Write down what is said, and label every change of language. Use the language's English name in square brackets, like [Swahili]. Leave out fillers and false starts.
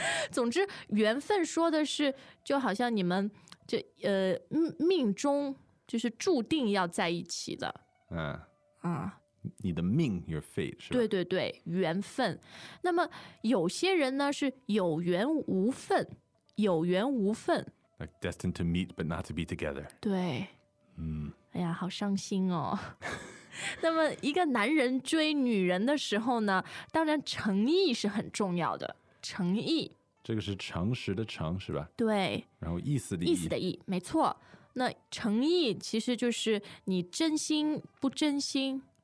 [Chinese] 总之缘分说的是就好像你们这命中就是注定要在一起的。你的命 [English] your fate [Chinese] 是吧？对对对，缘分。那么有些人呢是有缘无分，有缘无分。 [English] Like destined to meet but not to be together. [Chinese] 对。嗯。哎呀，好伤心哦。那么一个男人追女人的时候呢，当然诚意是很重要的。诚意，这个是诚实的诚是吧？对。然后意思的意，意思的意，没错。那诚意其实就是你真心不真心。